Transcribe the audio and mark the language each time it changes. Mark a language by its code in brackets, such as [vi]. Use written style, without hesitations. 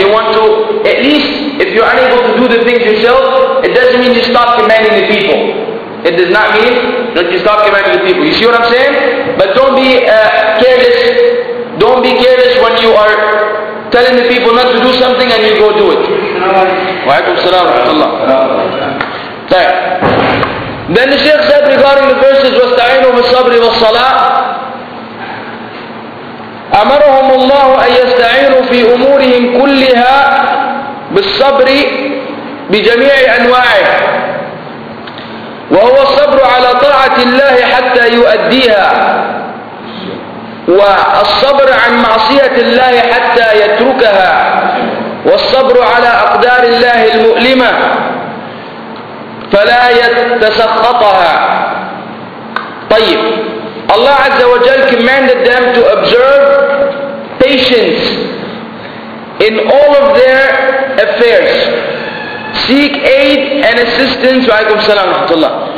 [en] You want to, at least if you're unable to do the things yourself, it doesn't mean you stop commanding the people. It does not mean that you stop commanding the people. You see what I'm saying? But don't be careless. Don't be careless when you are telling the people not to do something and you go do it. [ar] Wa alaykum salaam wa rahmatullah. [en] Then the Shaykh said regarding the verses, [ar] وَاسْتَعِينُوا بِالصَّبْرِ وَالصَّلَاةِ أَمَرَهُمُ اللَّهُ أَن يَسْتَعِينُوا فِي أُمُورِهِمْ كُلِّهَا بِالصَّبْرِ بِجَمِيعِ أَنْوَاعِهِ وهو الصبر على طاعة الله حتى يؤديها والصبر عن معصية الله حتى يتركها والصبر على أقدار الله المؤلمة فلا يتسخطها. [en] طيب, الله عز وجل commanded them to observe patience in all of their affairs. Seek aid and assistance, [ar] وعليكم السلام ورحمة الله.